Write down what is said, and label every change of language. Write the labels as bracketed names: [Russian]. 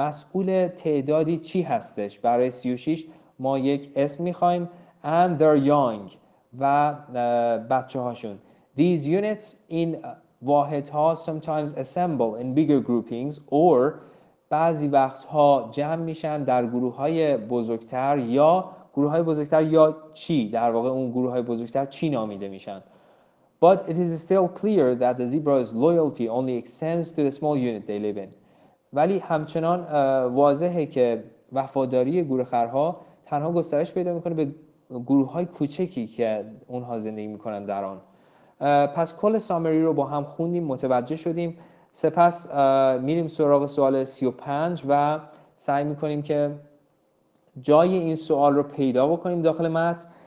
[Persian] مسئول تعدادی چی هستش؟ برای 36 ما یک اسم می خواهیم. [English] And they're young. [Persian] و بچه هاشون. [English] These units in [Persian] واحد ها [English] sometimes assemble in bigger groupings or [Persian] بعضی وقت ها جمع میشن در گروه های بزرگتر یا گروه های بزرگتر یا چی؟ در واقع اون گروه های بزرگتر چی نامیده میشن؟ [English] But it is still clear that the zebra's loyalty only extends to the small unit they live in. [Persian] ولی همچنان واضحه که وفاداری گورخرها تنها گسترش پیدا میکنه به گروه های کوچکی که اونها زندگی میکنن در آن. پس کل سامری رو با هم خوندیم، متوجه شدیم، سپس میریم سراغ سوال 35 و سعی میکنیم که جای این سوال رو پیدا بکنیم داخل متن.